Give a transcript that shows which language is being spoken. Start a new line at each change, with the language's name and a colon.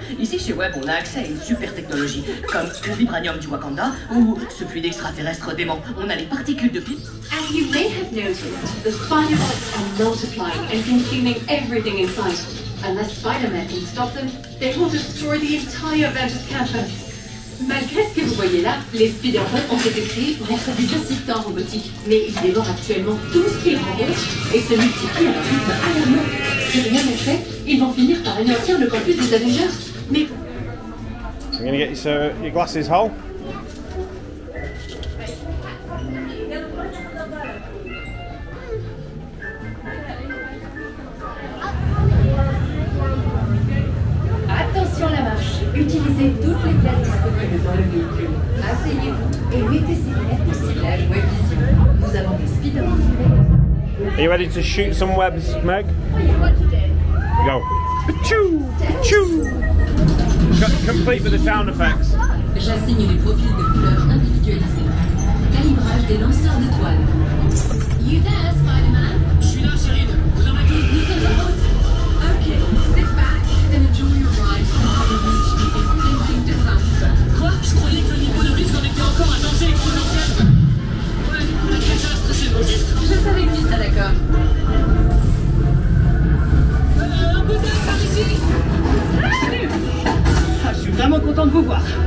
French: Ici chez Web, on a accès à une super technologie, comme le vibranium du Wakanda ou ce fluide extraterrestre dément. On a les particules de pluie.
English: As you may have noticed, the spider bots are multiplying and consuming everything in sight. Unless Spider-Man can stop them, they will destroy the entire Avengers campus.
French: Malgré ce que vous voyez là, les spider bots ont été créés pour être des assistants robotiques, mais ils dévorent actuellement tout ce qu'ils rencontrent et se multiplient à un rythme alarmant.
English: I'm going to get you your glasses, Hull.
French: Attention la marche. Utilisez toutes les places disponibles dans le véhicule. Asseyez-vous et mettez ces lunettes au ciblage web vision. Nous avons des speedruns.
English: Are you ready to shoot some webs, Meg? Go. Achoo! Achoo! Complete with the sound effects.
French: J'assigne les profils de couleurs individualisés. Calibrage des lanceurs de toiles.
English: You there, Spider-Man?
French: Je suis là, chérie. Vous en avez dit? Nous sommes en route.
English: Okay, sit back and enjoy your ride from the reach of the impending disaster.
French: Quoi? Je croyais que le niveau de risque en était encore un danger exponentiel. Je savais que tu serais d'accord. Un peu d'air par ici. Ah, je suis vraiment content de vous voir.